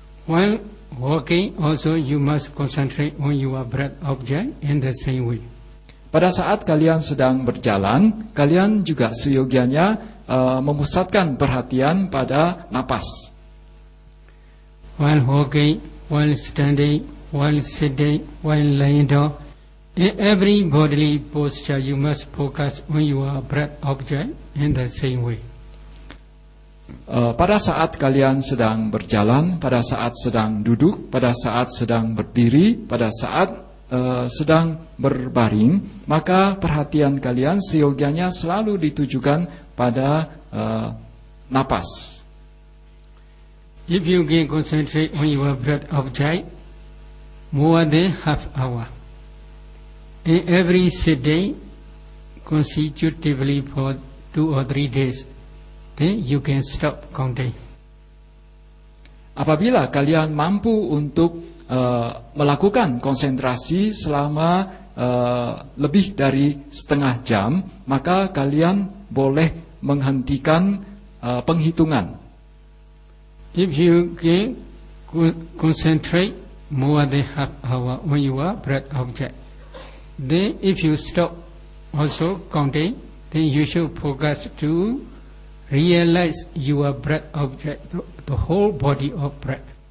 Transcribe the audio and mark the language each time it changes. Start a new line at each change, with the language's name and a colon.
English: While walking, also you must concentrate on your breath object in the same way.
Indonesian: Pada saat kalian sedang berjalan, kalian juga seyogianya memusatkan perhatian pada napas.
English: While walking, while standing, while sitting, while lying down, in every bodily posture, you must focus on your breath object in the same way.
Indonesian: Pada saat kalian sedang berjalan, pada saat sedang duduk, pada saat sedang berdiri, pada saat sedang berbaring, maka perhatian kalian seyogianya selalu ditujukan pada napas.
English: If you can concentrate on your breath object more than half hour, in every sitting consecutively for 2 or 3 days, then you can stop counting.
Indonesian: Apabila kalian mampu untuk melakukan konsentrasi selama lebih dari setengah jam, maka kalian boleh menghentikan penghitungan.
English: If you can concentrate more than half hour on your breath object, then if you stop also counting, then you should focus to realize your breath object, the whole body of breath.